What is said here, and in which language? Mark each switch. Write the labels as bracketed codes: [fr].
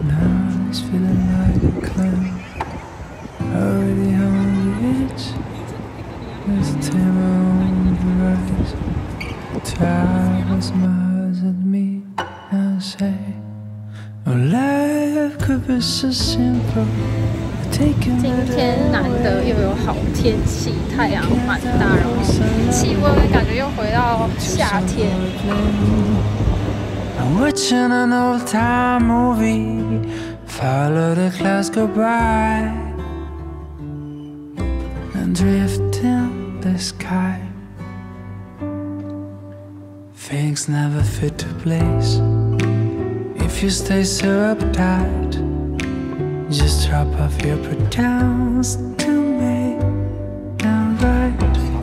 [en] Now it's feeling like a clam. Already on the edge. There's a tremor on the rise. Travel smiles at me and say, Oh, life could be so simple. [zh] 今天难得又有好天气，太阳蛮大，然后气温感觉又回到夏天。 [en] I'm watching an old time movie, follow the clouds go by, and drift in the sky. Things never fit to place, if you stay so uptightJust drop off your pretense to me and write.